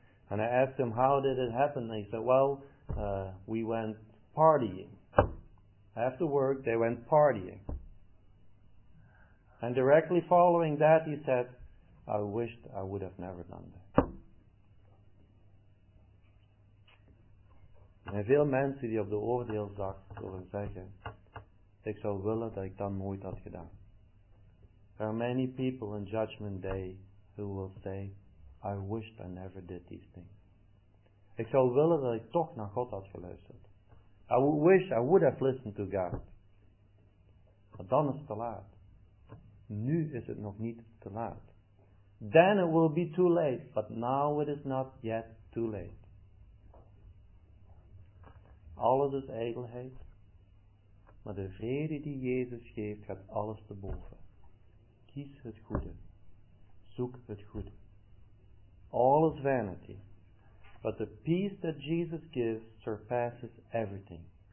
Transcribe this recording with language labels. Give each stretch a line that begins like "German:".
English: And I asked him, how did it happen? And he said, well, we went partying. After work, they went partying. And directly following that, he said, I wished I would have never done that.
Dutch: En veel mensen die op de oordeelsdag zullen zeggen, ik zou willen dat ik dan nooit had gedaan.
English: There are many people on Judgment Day who will say, I wished I never did these things.
Dutch: Ik zou willen dat ik toch naar God had geluisterd.
English: I wish I would have listened to God.
Dutch: Maar dan is het te laat. Nu is het nog niet te laat.
English: Then it will be too late, but now it is not yet too late.
Dutch: Alles is ijdelheid, maar de vrede die Jezus geeft gaat alles te boven. Kies het goede, zoek het goede.
English: All is vanity, but the peace that Jesus gives surpasses everything.